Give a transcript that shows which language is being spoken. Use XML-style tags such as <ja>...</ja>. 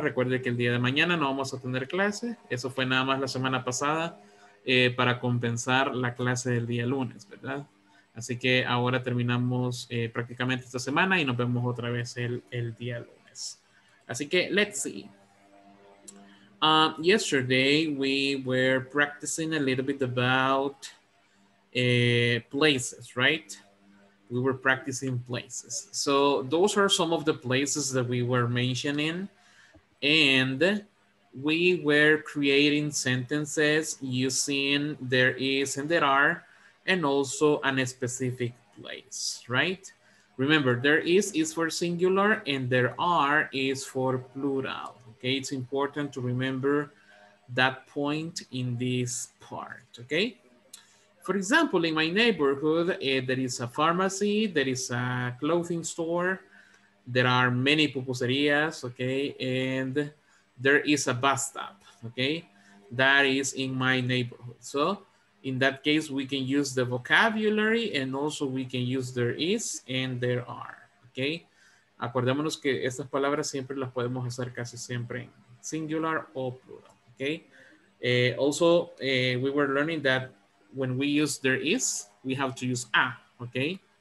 <es>Recuerde que el día de mañana no vamos a tener clase. Eso fue nada más la semana pasada para compensar la clase del día lunes, ¿verdad? Así que ahora terminamos prácticamente esta semana y nos vemos otra vez el día lunes. Así que</es> <en>let's see. Yesterday we were practicing a little bit about places, right? We were practicing places. So those are some of the places that we were mentioning, and we were creating sentences using there is and there are, and also a specific place, right? Remember, there is for singular and there are is for plural. Okay, it's important to remember that point in this part, okay? For example, in my neighborhood, there is a pharmacy, there is a clothing store, there are many pupuserias, okay? And there is a bus stop, okay? That is in my neighborhood. So in that case, we can use the vocabulary and also we can use there is and there are, okay?</en> <es>Acordémonos que estas palabras siempre las podemos usar casi siempre en singular o plural, okay?</es> <en>Also, we were learning that when we use there is, we have to use a, okay?</en>